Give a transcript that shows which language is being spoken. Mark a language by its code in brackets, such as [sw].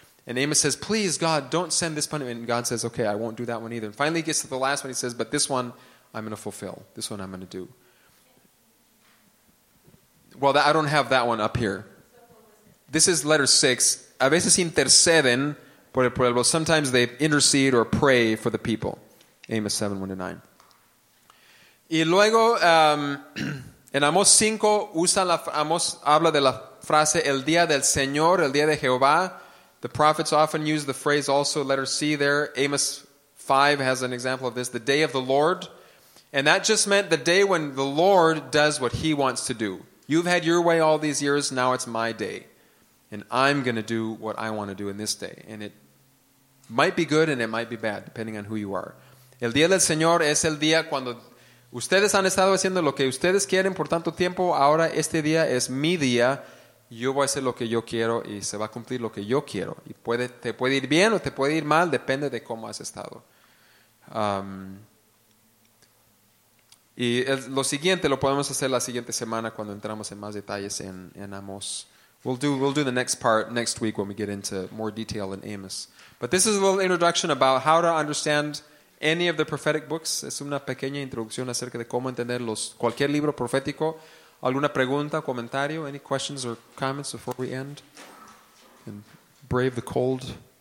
[en] And Amos says, please, God, don't send this punishment. And God says, okay, I won't do that one either. And finally he gets to the last one, he says, but this one I'm going to fulfill. This one I'm going to do. Well, I don't have that one up here. This is letter 6. [es] A veces interceden por el pueblo. [en] Sometimes they intercede or pray for the people. [es] Amos 7:1-9. Y luego, en Amos 5, Amos habla de la frase, el día del Señor, el día de Jehová. [en] The prophets often use the phrase also, letter C there. Amos 5 has an example of this, the day of the Lord. And that just meant the day when the Lord does what he wants to do. You've had your way all these years, now it's my day. And I'm going to do what I want to do in this day. And it might be good and it might be bad, depending on who you are. [es] El día del Señor es el día cuando ustedes han estado haciendo lo que ustedes quieren por tanto tiempo. Ahora este día es mi día. Yo voy a hacer lo que yo quiero y se va a cumplir lo que yo quiero. Y puede, te puede ir bien o te puede ir mal, depende de cómo has estado. Y lo siguiente lo podemos hacer la siguiente semana cuando entramos en más detalles en Amos. [en] We'll do the next part next week when we get into more detail in Amos. But this is a little introduction about how to understand any of the prophetic books. [es] Es una pequeña introducción acerca de cómo entender cualquier libro profético. ¿Alguna pregunta, comentario? [en] Any questions or comments before we end? And brave the cold.